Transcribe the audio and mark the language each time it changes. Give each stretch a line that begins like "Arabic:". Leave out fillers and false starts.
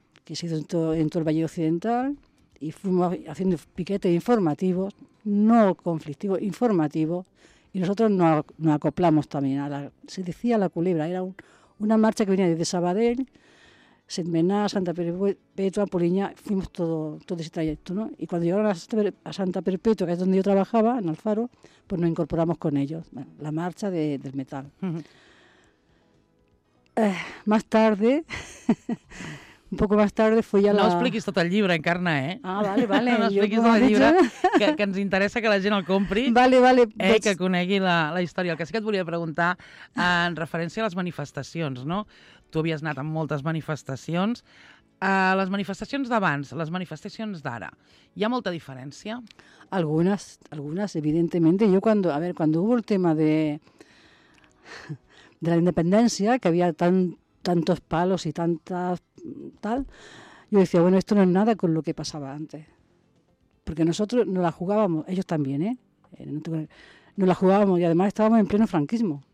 Spanish: que se hizo en todo el Valle Occidental, y fuimos haciendo piquetes informativos, no conflictivos, informativos, y nosotros nos acoplamos también a la, se decía la Culebra, era una marcha que venía desde Sabadell, Sedmená, Santa Perpetua, Poliña, fuimos todo ese trayecto, ¿no? Y cuando llegaron a Santa Perpetua, que es donde yo trabajaba, en Alfaro, pues nos incorporamos con ellos, la marcha del metal. Más tarde, un poco más tarde, fui a la...
Catalan: No expliquis tot el llibre, Encarna, eh? Ah, vale. No expliquis tot el llibre, que ens interessa que la gent el compri. Vale. Que conegui la història. El que sí que et volia preguntar, en referència a les manifestacions, no? Tu havies anat amb moltes manifestacions. Les manifestacions d'abans, les manifestacions d'ara, hi ha molta diferència? Algunes, evidentment. Jo, quan hubo el tema de la independència, que havia tantos palos i tantes tal,
Spanish: yo decía, bueno, esto no es nada con lo que pasaba antes. Porque nosotros nos la jugábamos, ellos también, ¿eh? Nos la jugábamos y además estábamos en pleno franquismo.